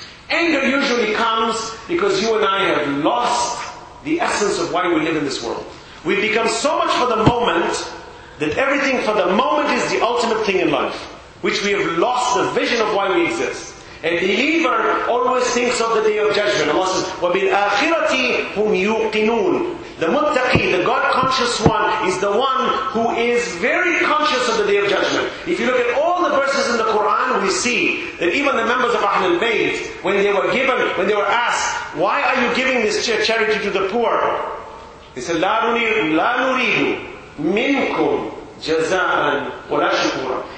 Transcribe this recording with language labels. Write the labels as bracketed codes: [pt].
[en] Anger usually comes because you and I have lost the essence of why we live in this world. We've become so much for the moment that everything for the moment is the ultimate thing in life, which we have lost the vision of why we exist. A believer always thinks of the Day of Judgment. Allah says, [ar] وَبِالْآخِرَةِ هُمْ يُوقِنُونَ. [en] The muttaqi, the God-conscious one, is the one who is very conscious of the Day of Judgment. If you look at all the verses in the Quran, we see that even the members of Ahlul Bayt, when they were asked, why are you giving this charity to the poor? They said, [ar] لَا نُرِيدُ مِنْكُمْ جَزَاءً وَلَا شُكُورًا.